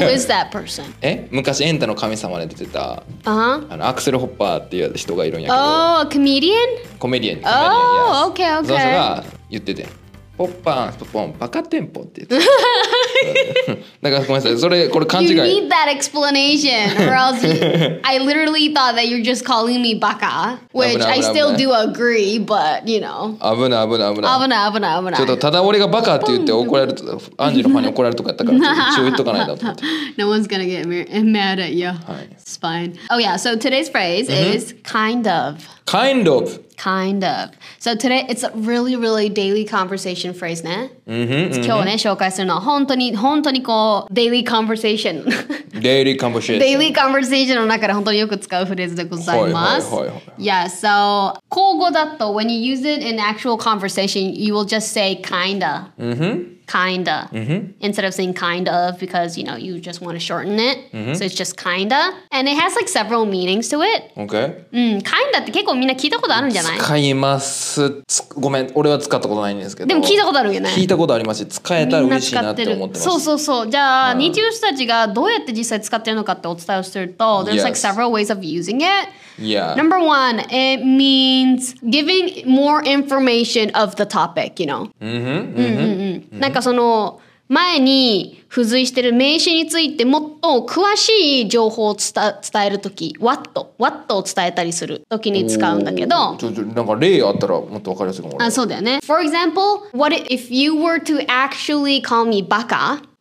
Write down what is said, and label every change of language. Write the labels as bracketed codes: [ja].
[en] Who is that person? [ja] え、昔エンタの神様で出てた、 uh-huh. あのアクセルホッパーっていう人がいるんやけど。 [en] Oh, a comedian? [ja] コメディアン。 [en] Oh, yes. OK, OK。 [ja] その人が言ってて、ポッパン、ポポン、バカテンポって言ってだからごめんなさい、それこれ勘違い。 [en] You need that explanation, or else I literally thought that you're just calling me baka, which I still do agree, but you know. [ja] 危ない危ない危ない。危ない危ない危ない。ちょっとただ俺がバカって言って怒られると、アンジのファンに怒られるとかやったから、ちょっと注意とかないだと。 [en] No one's gonna get mad at you. It's fine. Oh yeah, so today's phrase is kind of. Kind of. Kind of. So today, it's a really, really daily conversation phrase, ne? Mm-hmm, [ja] 今日ね、紹介するのは本当に、本当にこう、daily conversation. [en] daily conversation. [ja] daily conversation の中で本当によく使うフレーズでございます。 [en] Yeah, so, [ja] 口語だと、 [en] when you use it in actual conversation, you will just say kinda. Mm-hmm. Kinda. Mm-hmm. Instead of saying kind of, because, you know, you just want to shorten it. Mm-hmm. So it's just kinda. And it has like several meanings to it. Okay. [ja] Kinda って結構みんな聞いたことあるんじゃない? 使います。ごめん、俺は使ったことないんですけど。でも聞いたことあるよね。聞いたことありますし、使えたら嬉しいなって思ってます。そうそうそう。じゃあ、日中人たちがどうやって実際使ってるのかってお伝えをすると、 [en] there's like several ways of using it. Yeah. Number one, it means giving more information of the topic, you know? Mm-hmm. [ja] なんかその、前に付随してる名詞についてもっと詳しい情報を伝えるとき、what を伝えたりするときに使うんだけど、なんか例あったらもっとわかりやすいかも。あ、そうだよね。 [en] For example, what if you were to actually call me バカ？